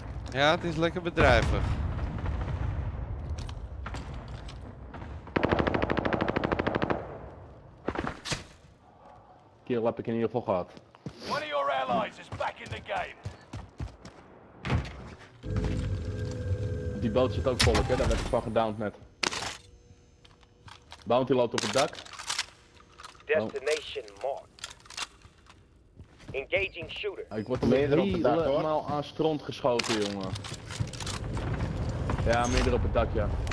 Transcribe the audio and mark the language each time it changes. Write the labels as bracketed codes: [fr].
[nl] Ja, het is lekker bedrijvig. Kill heb ik in ieder geval gehad. [en] One of your allies is back in the game. [nl] Die boot zit ook volk, hè? Daar werd ik van gedownd net. Bounty loopt op het dak. [en] Destination marked. Engaging shooter. [nl] Ik word meerdere op het dak, hoor. Helemaal aan stront geschoten, jongen. Ja, meerdere op het dak, ja.